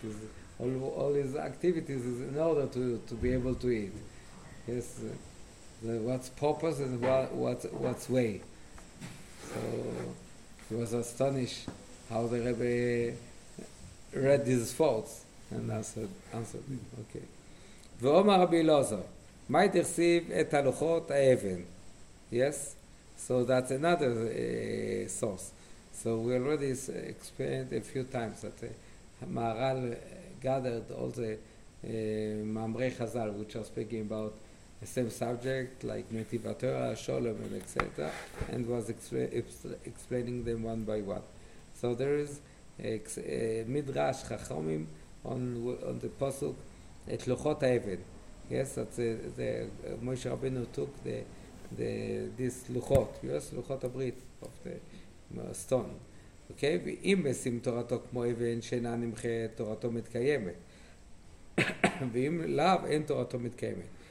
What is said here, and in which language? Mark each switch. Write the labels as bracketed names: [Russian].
[English] Is all his activities is in order to be able to eat. Yes, what's purpose and what's way. So he was astonished how the Rebbe read these thoughts and answered him. Okay. [Hebrew] ואומר רבי אלעזר, מי תחשיב את הלוחות האבן? [English] Yes? So that's another source. So we already explained a few times that Maharal gathered all the Mamrei Chazal, which are speaking about the same subject, like Netivat Torah, Sholem, and etc., and was explaining them one by one. So there is Midrash Chachomim on the Pasuk, [Hebrew] את לוחות האבן. [English] Yes, that's Moshe Rabbeinu took this לוחות. Yes, לוחות הברית of the stone. Okay, [Hebrew] ואם משים תורתו כמו אבן שאינה נמחית, תורתו מתקיימת. ואם לאו, אין תורתו מתקיימת.